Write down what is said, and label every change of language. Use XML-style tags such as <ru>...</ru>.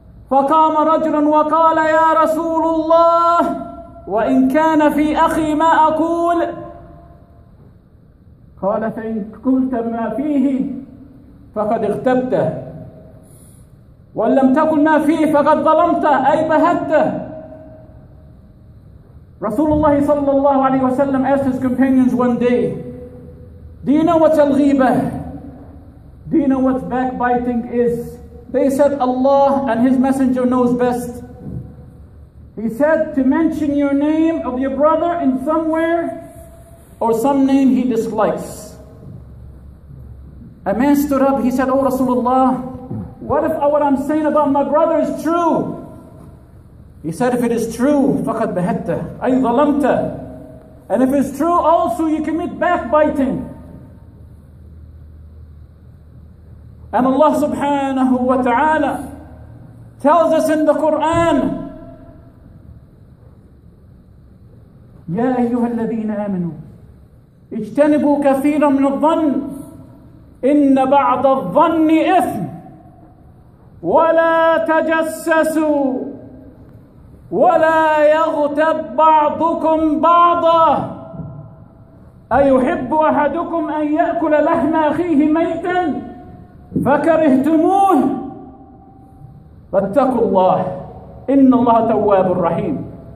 <ar>فقام رجل وقال يا رسول الله وإن كان في أخي ما أقول. قال فإن قلت ما فيه فقد اغتبته، وإن لم تقل ما فيه فقد ظلمته أي بهته. رسول الله صلى الله عليه وسلم</ar> <en>asked his companions one day, do you know what الغيبة؟ Do you know what backbiting is? They said, Allah and His Messenger knows best. He said to mention your name of your brother in somewhere or some name he dislikes. A man stood up, he said, O Rasulullah, what if what I'm saying about my brother is true? He said, if it is true,</en> <ar>فَقَدْ بَهَدْتَ أَيْ ظَلَمْتَ.</ar> <en>And if it's true, also you commit backbiting. And Allah subhanahu wa ta'ala tells us in the Quran,</en> <ar>يا أيها الذين آمنوا اجتنبوا كثيرا من الظن إن بعض الظن إثم ولا تجسسوا ولا يغتب بعضكم بعضا أيحب أحدكم أن يأكل لحم أخيه ميتا فكرهتموه فاتقوا الله إن الله تواب رحيم.</ar>